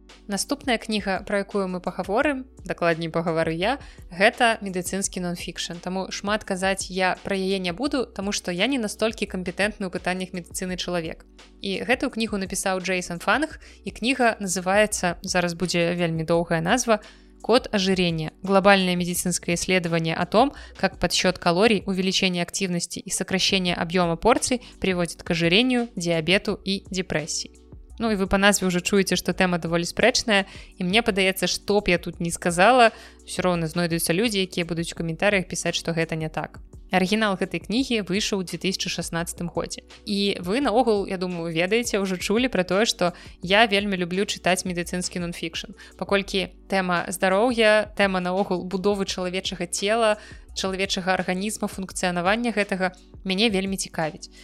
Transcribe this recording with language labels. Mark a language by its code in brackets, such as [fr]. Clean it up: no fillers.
[be] Наступная кніга, пра якую мы пагаворым, дакладней пагавару я, гэта медыцынскі нон-фікшн. Таму шмат казаць я пра яе не буду, таму што я не настолькі кампетэнтны ў пытаннях медыцыны чалавек. І гэтую кнігу напісаў Джэйсан Фанг, і кніга называецца, зараз будзе вельмі доўгая назва, [ru] «Код ожирения. Глобальное медицинское исследование о том, как подсчет калорий, увеличение активности и сокращение объема порций приводит к ожирению, диабету и депрессии». [be] Ну і вы па назве ўжо чуеце, што тэма даволі спрэчная, і мне падаецца, што б я тут не сказала, ўсё роўна знойдуцца людзі, якія будуць у каментарыях пісаць, што гэта не так. Арыгінал гэтай кнігі выйшаў у 2016 годзе. І вы наогул, я думаю, ведаеце, ўжо чулі пра тое, што я вельмі люблю чытаць медыцынскі нон-фікшн, паколькі тэма здароўя, тэма наогул будовы чалавечага цела, чалавечага арганізма, функцыянавання гэтага, мяне вельмі цікавіць.